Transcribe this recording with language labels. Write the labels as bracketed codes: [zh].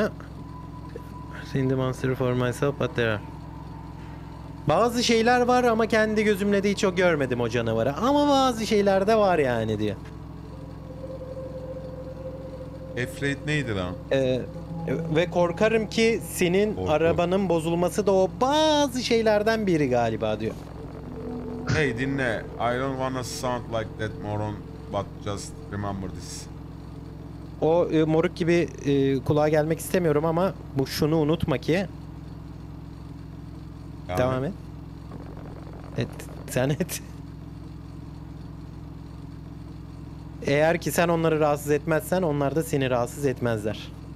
[en] I've seen the monster for myself, but there are... [tr] Bazı şeyler var ama kendi gözümle de hiç o görmedim o canavarı. Ama bazı şeyler de var yani diyor. Afraid neydi lan? Ve korkarım ki senin arabanın bozulması da o bazı şeylerden biri galiba diyor. Hey dinle. [en] I don't wanna sound like that moron, but just remember this. [tr] O moruk gibi kulağa gelmek istemiyorum ama bu şunu unutma ki. Yani. Devam et. Et. Sen et. Eğer ki sen onları rahatsız etmezsen onlar da seni rahatsız etmezler.